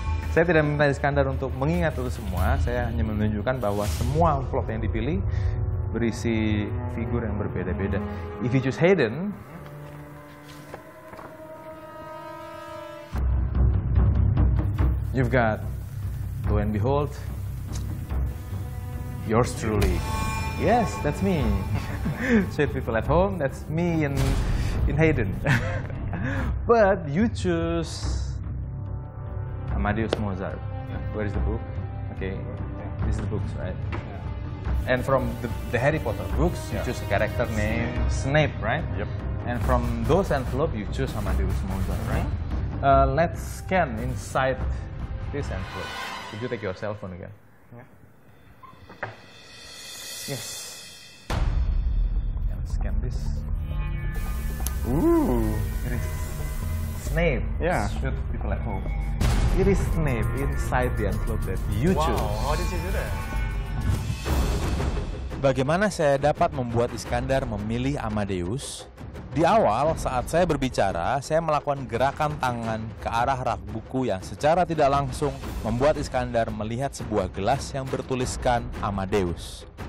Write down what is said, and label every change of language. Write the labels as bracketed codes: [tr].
[id] Saya tidak meminta Iskandar untuk mengingat itu semua. Saya hanya menunjukkan bahwa semua amplop yang dipilih berisi figur yang berbeda-beda. [en] If you choose Hayden, you've got, lo and behold, yours truly. Yes, that's me. Sweet people at home, that's me in Hayden. But you choose Amadeus Mozart. Yeah. Where is the book? Okay, yeah. This is the books, right? Yeah. And from the Harry Potter books, you choose a character named Snape, right? Yep. And from those envelopes, you choose Amadeus Mozart, right? Let's scan inside this envelope. Could you take your cell phone again? Yes. Yeah, let's scan this. Ooh. It is Snape. Yeah. Shoot people at home. It is Snape inside the envelope that you choose. Wow, how did you do that? [id] Bagaimana saya dapat membuat Iskandar memilih Amadeus? Di awal, saat saya berbicara, saya melakukan gerakan tangan ke arah rak buku yang secara tidak langsung membuat Iskandar melihat sebuah gelas yang bertuliskan Amadeus.